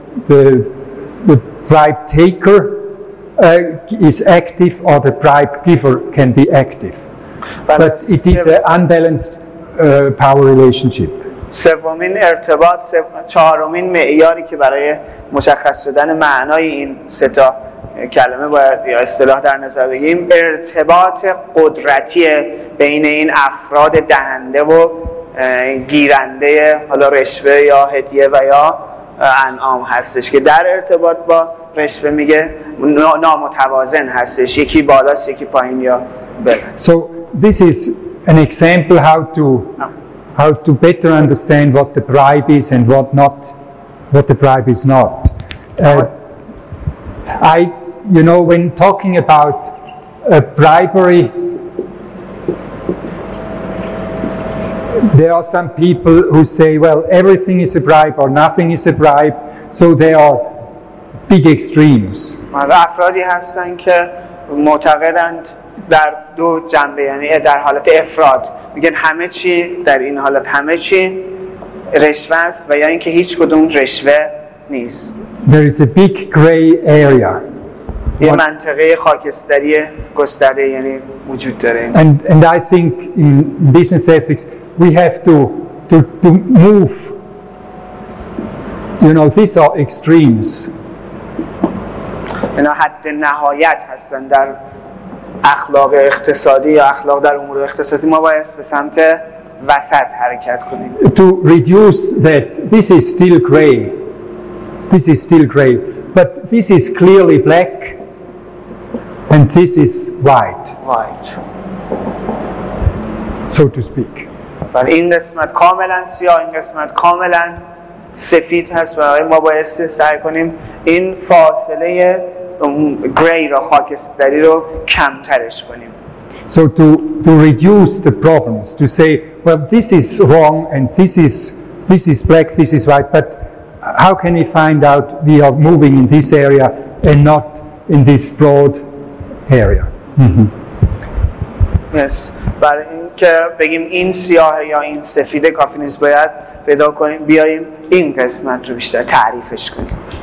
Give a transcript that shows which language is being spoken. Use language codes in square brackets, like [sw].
[en] Either the bribe taker is active or the bribe giver can be active. But it is an unbalanced power relationship. [fa] سومین ارتباط، چهارمین معیاری که برای مشخص شدن معنای این سه تا کلمه باید یا اصطلاح در نظر بگیریم، ارتباط قدرتی بین این افراد دهنده و گیرنده حالا رشوه یا هدیه و یا انعام هستش که در ارتباط با رشوه میگه نامتوازن هستش، یکی بالاست یکی پایین یا بالا. [en] So this is an example how to better understand what the bribe is and what the bribe is not. When talking about a bribery, there are some people who say, well, everything is a bribe or nothing is a bribe, so they are big extremes. [fa] افرادی هستن که معتقدند در دو جنبه، یعنی در حالت افراد میگن همه چی در این حالت همه چی رشوه است و یا اینکه هیچ کدوم رشوه نیست. [en] There is a big gray area. [fa] یه منطقه خاکستری گسترده یعنی وجود داره. [en] And I think in business ethics we have to move. You know, these are extremes. [fa] اینا حد نهایت هستن در اخلاق اقتصادی یا اخلاق در امور اقتصادی، ما باید به سمت وسط حرکت کنیم. [en] To reduce that, this is still gray. This is still gray, but this is clearly black, and this is white. White. So to speak. [fa] But این قسمت کاملا سیاه، این قسمت کاملا سفید هست و ما باید سعی کنیم این فاصله gray رو، خاکستری رو کمترش کنیم. [en] So to reduce the problems, to say, well, this is wrong and this is black, this is white, but how can we find out we are moving in this area and not in this broad area? Yes. [fa] برای اینکه بگیم این سیاهه یا این سفیده کافی نیست، باید پیدا کنیم بیاییم این قسمت رو بیشتر تعریفش کنیم.